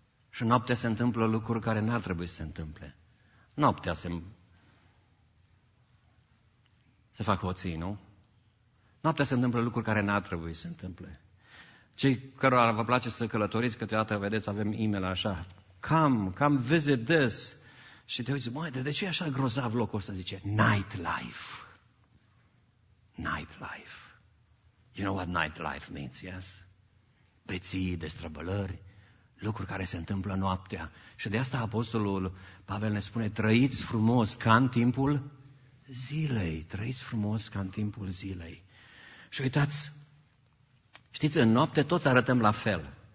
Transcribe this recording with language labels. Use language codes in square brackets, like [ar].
[ro] Și noaptea se întâmplă lucruri care n-ar trebui să se întâmple. Noaptea se fac hoții, nu? Noaptea se întâmplă lucruri care n-ar trebui să se întâmple. Cei cărora vă place să călătoriți, câteodată vedeți, avem e-mail așa, [en] come visit this. [ro] Și te uiți, măi, de ce e așa grozav locul ăsta? Zice, nightlife. Nightlife. [en] You know what nightlife means, yes? [ro] Beții, destrăbălări, lucruri care se întâmplă noaptea. Și de asta Apostolul Pavel ne spune, trăiți frumos ca în timpul zilei. Trăiți frumos ca în timpul zilei. Și uitați, știți, în noapte toți arătăm la fel.